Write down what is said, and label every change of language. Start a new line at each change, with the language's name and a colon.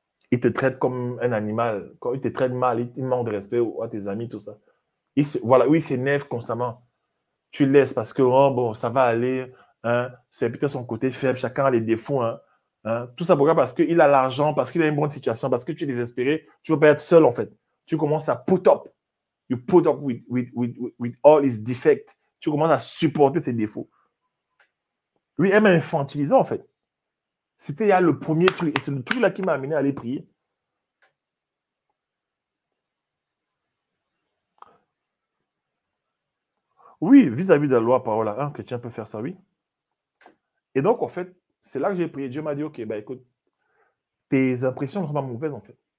French: Il te traite comme un animal. Quand il te traite mal, il manque de respect à tes amis, tout ça. Il s'énerve constamment. Tu laisses parce que oh, bon, ça va aller. Hein. C'est plutôt son côté faible. Chacun a les défauts. Hein. Tout ça pourquoi? Parce qu'il a l'argent, parce qu'il a une bonne situation, parce que tu es désespéré. Tu ne veux pas être seul, en fait. Tu commences à
English: put up. You put up with all his defects.
French: Tu commences à supporter ses défauts. Lui, elle m'a infantilisé, en fait. C'était là le premier truc. Et c'est le truc là qui m'a amené à aller prier. Oui, vis-à-vis de la loi, parole à un chrétien peut faire ça, oui. Et donc, en fait, c'est là que j'ai prié. Dieu m'a dit, OK, bah écoute, tes impressions sont vraiment mauvaises, en fait.